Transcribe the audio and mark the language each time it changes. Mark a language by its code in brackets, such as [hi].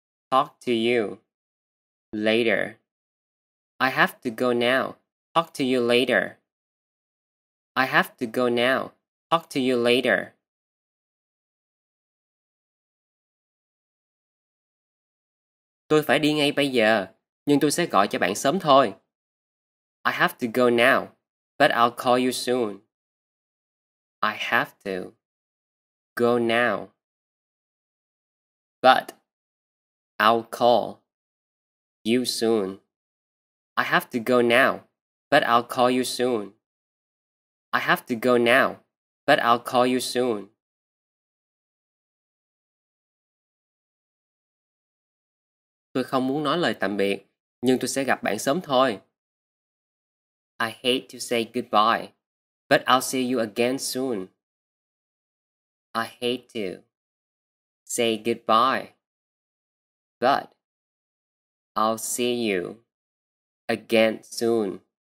[en] Talk to you later. I have to go now. Talk to you later. I have to go now. Talk to you later. [vi] Tôi phải đi ngay bây giờ, nhưng tôi sẽ gọi cho bạn sớm thôi. [en] I have to go now, but I'll call you soon. I have to go now, but I'll call you soon. I have to go now, but I'll call you soon. I have to go now, but I'll call you soon. [vi] Tôi không muốn nói lời tạm biệt, nhưng tôi sẽ gặp bạn sớm thôi. [en] I hate to say goodbye, but I'll see you again soon. I hate to say goodbye, but I'll see you again soon.